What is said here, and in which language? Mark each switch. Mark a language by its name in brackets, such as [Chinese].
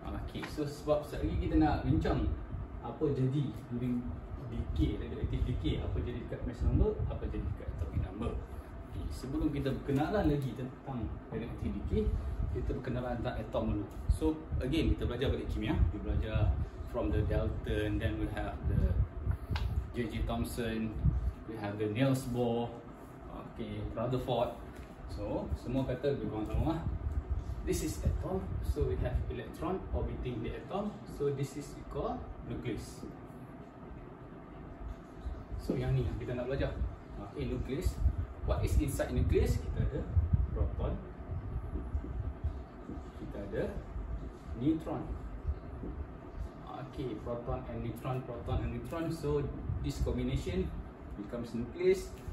[Malay] Okay, so sebab sehari kita nak bincang apa jadi [English] during decay, radioactive decay, [Malay] apa jadi dekat mass number, apa jadi dekat atomic number. Sebelum kita berkenalan lagi tentang radioactive decay, kita berkenalan tentang atom dulu. So again, kita belajar balik kimia. Kita belajar [English] from the Dalton, then we have the J.J. Thomson, we have the Niels Bohr, okay, Rutherford. [Malay] So semua kata lebih kurang sama. [English] This is atom, so we have electron orbiting the atom. So this is called nucleus. [Malay] So yang ni yang kita nak belajar. [English] Okay, nucleus. What is inside nucleus? [Malay] Kita ada proton, kita ada neutron. [English] Okay, proton and neutron, proton and neutron. So this combination becomes nucleus.